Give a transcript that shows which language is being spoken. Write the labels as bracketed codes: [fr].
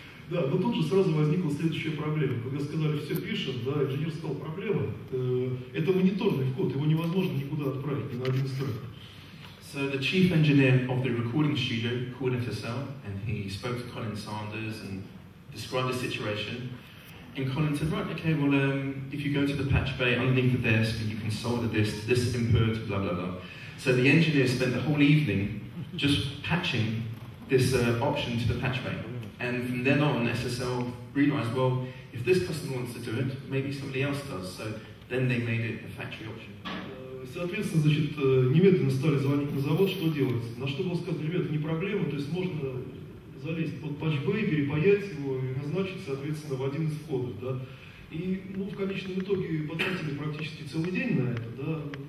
[ru] Да, но тут же сразу возникла следующая проблема. Когда сказали, все пишем, да, инженер сказал, проблема. Это мониторный вход, его невозможно никуда отправить, ни на один строк. [en] So the chief engineer of the recording studio called SSL, and he spoke to Colin Sanders and described the situation. And Colin said, right, okay, well, if you go to the patch bay underneath the desk and you can solder this, this input, blah, blah, blah. So the engineer spent the whole evening just patching this option to the patch bay. And from then on, SSL realized, well, if this customer wants to do it, maybe somebody else does. So then they made it a factory option. [ru] Соответственно, значит, немедленно стали звонить на завод, что делать. На что было сказано, ребята, не проблема, то есть можно залезть под патчбэй, перепаять его и назначить, соответственно, в один из входов, да. И, ну, в конечном итоге потратили практически целый день на это, да.